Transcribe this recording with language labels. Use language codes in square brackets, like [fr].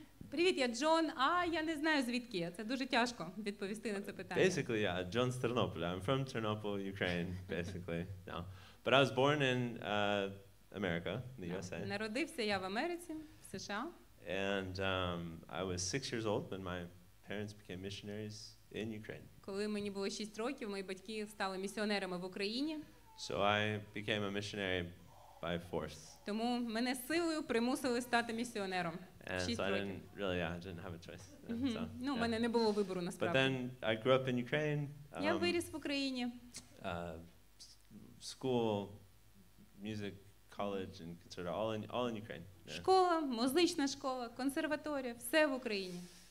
[uk] Привіт, я Джон, а я не знаю звідки я. Це дуже тяжко відповісти на це питання. [en] Basically, yeah, John [uk] з Тернополя. [en] I'm from Chernobyl, Ukraine, basically. No. But I was born in America, in the USA. [uk] Народився я в Америці, в США. [en] And I was 6 years old when my parents became missionaries. In Ukraine. [uk] Коли мені було 6 років, мої батьки стали місіонерами в Україні. [en] So I became a missionary by force. [uk] Тому мене силою примусили стати місіонером. [en] And 6 so [uk] років. [en] I didn't have a choice. [uk] Ну, в мене не було вибору насправді. [en] But then I grew up in Ukraine. [uk] Я виріс в Україні. [en] School, music, college and conservatory all in Ukraine. Yeah. [uk] Школа, музична школа, консерваторія, все в Україні.